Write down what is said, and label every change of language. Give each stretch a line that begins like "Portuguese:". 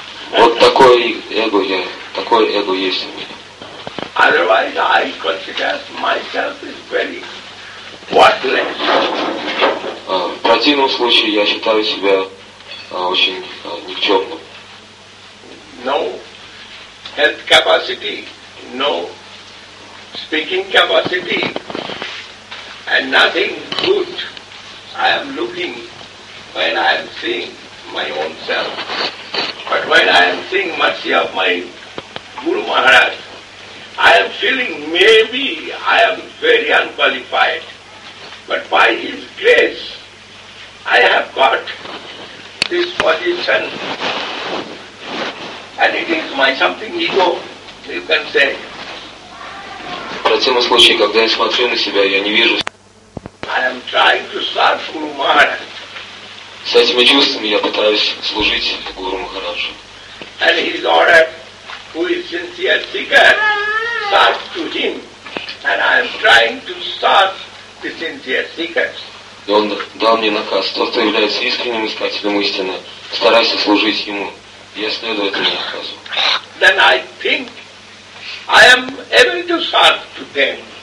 Russian: Вот такое эго я, такое эго есть у меня.
English: Otherwise, I consider myself is very worthless.
Russian: В противном случае я считаю себя очень никчемным.
English: No health capacity, no speaking capacity, and nothing good. I am looking when I am seeing my own self. But when I am seeing mercy of my Guru Maharaj, I am feeling maybe I am very unqualified. But by His grace, I have got this position. And it is my something ego, you can say. But in some
Russian: случае, когда я смотрю на себя, я не вижу.
English: I am trying to serve Guru Maharaj.
Russian: С этими чувствами я пытаюсь служить Гуру Махараджу.
English: And his order, who is sincere seeker, serve to him. And I am trying to serve the sincere seekers.
Russian: И он дал мне наказ. Тот, кто является искренним искателем истины, старайся служить ему. Я следую этому наказу.
English: Then I think I am able to serve to them.